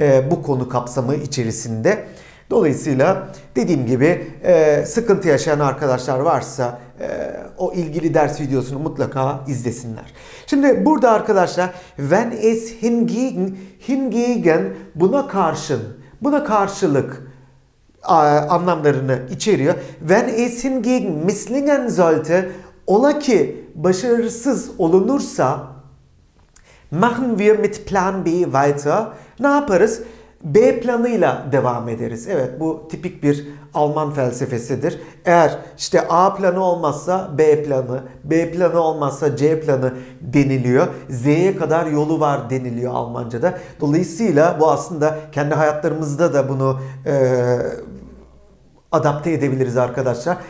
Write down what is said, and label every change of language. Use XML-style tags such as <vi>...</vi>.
<tr>Bu konu kapsamı içerisinde. Dolayısıyla dediğim gibi sıkıntı yaşayan arkadaşlar varsa o ilgili ders videosunu mutlaka izlesinler. Şimdi burada arkadaşlar</tr> <de>wenn es hingegen,</de> <tr>hingegen buna karşın, buna karşılık anlamlarını içeriyor.</tr> <de>Wenn es hingegen misslingen sollte,</de> <tr>ola ki başarısız olunursa,</tr> <de>machen wir mit Plan B weiter,</de> <tr>ne yaparız? B planıyla devam ederiz. Evet, bu tipik bir Alman felsefesidir. Eğer işte A planı olmazsa B planı, B planı olmazsa C planı deniliyor. Z'ye kadar yolu var deniliyor Almanca'da. Dolayısıyla bu aslında kendi hayatlarımızda da bunu adapte edebiliriz arkadaşlar.</tr>